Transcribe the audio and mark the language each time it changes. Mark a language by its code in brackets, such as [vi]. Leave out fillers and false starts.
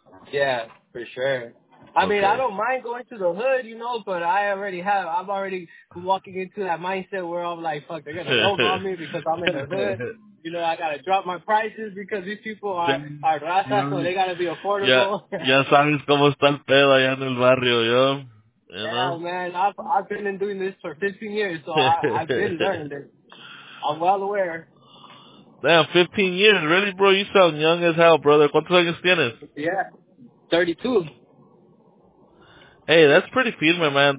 [en] Yeah, for sure. I mean, I don't mind going to the hood, you know, but I'm already walking into that mindset where I'm like, fuck, they're going to vote on me because I'm in the hood. You know, I got to drop my prices because these people are raza, so they got to be affordable. [es] Ya sabes cómo está el pedo allá en el barrio, yo. [en] Yeah, man, I've been doing this for 15 years, so I've been learning this. I'm well aware. Damn, 15 years. Really, bro? You sound young as hell, brother. [es] ¿Cuántos años tienes? [en] Yeah, 32. Hey, that's pretty firme, man.